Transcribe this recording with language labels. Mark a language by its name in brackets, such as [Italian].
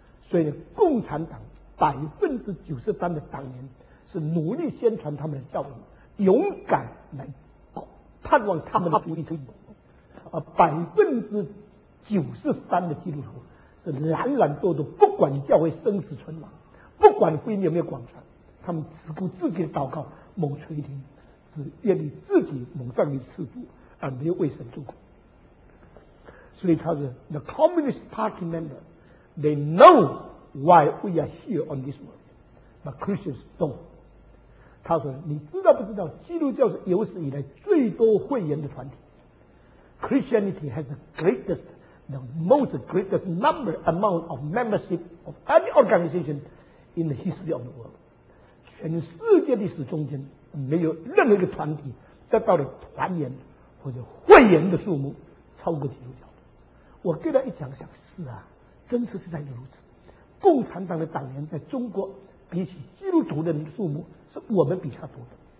[Chinese] 所以共产党93%的党员是努力宣传他们的教义，勇敢来盼望他们的福音成功，而93%的基督徒是懒懒惰惰，不管教会生死存亡，不管福音有没有广传，他们只顾自己的祷告蒙垂听，只愿意自己蒙上帝赐福，而没有为神做工。所以他是 [English] The Communist Party member They know why we are here on this world But Christians don't。 [Chinese] 他说你知道不知道，基督教是有史以来最多会员的团体。 [English] Christianity has the greatest The most greatest number amount of membership of any organization in the history of the world。 [Chinese] 全世界历史中间没有任何一个团体得到了团员或者会员的数目超过基督教的。我跟他一讲，想是啊，真实实在是如此。共产党的党员在中国比起基督徒的数目是我们比他多的。